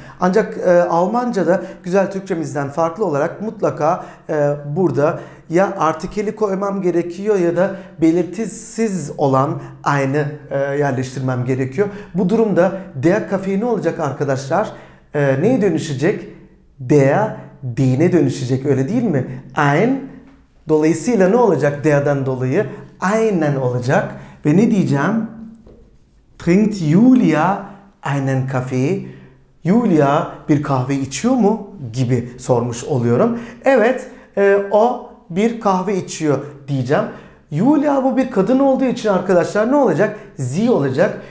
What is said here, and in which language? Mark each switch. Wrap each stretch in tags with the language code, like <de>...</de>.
<tr>Ancak Almanca'da güzel Türkçemizden farklı olarak mutlaka burada ya artikeli koymam gerekiyor ya da belirtisiz olan aynı yerleştirmem gerekiyor. Bu durumda der Kaffee ne olacak arkadaşlar? Neye dönüşecek? Der, din'e dönüşecek, öyle değil mi? Ein, dolayısıyla ne olacak der'den dolayı? Einen olacak. Ve ne diyeceğim?</tr> <de>Trinkt Julia einen Kaffee?</de> <tr>Julia bir kahve içiyor mu? Gibi sormuş oluyorum. Evet, o bir kahve içiyor diyeceğim. Julia bu bir kadın olduğu için arkadaşlar ne olacak? Sie olacak.</tr>